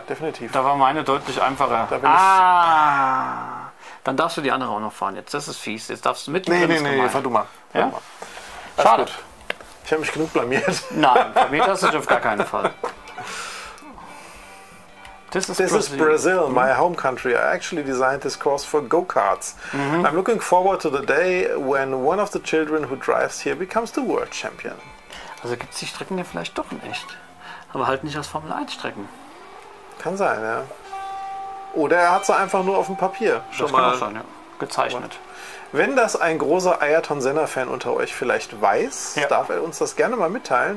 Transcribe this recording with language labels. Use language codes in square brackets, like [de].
[de] Definitiv. Da war meine deutlich einfacher. Da bin ich. Dann darfst du die andere auch noch fahren jetzt. Das ist fies. Jetzt darfst du mit. Nee, fahr du mal. Ja? Mal. Schade. Gut. Ich habe mich genug blamiert. Nein, blamiert hast du dich auf gar keinen Fall. [en] This is Brazil, my home country. I actually designed this course for go-karts. Mm-hmm. I'm looking forward to the day when one of the children who drives here becomes the world champion. [de] Also gibt es die Strecken ja vielleicht doch in echt. Aber halt nicht als Formel 1 Strecken. Kann sein, ja. Oder er hat sie einfach nur auf dem Papier. Schon das mal kann auch sein, ja. Gezeichnet. Wenn das ein großer Ayrton Senna-Fan unter euch vielleicht weiß, darf er uns das gerne mal mitteilen.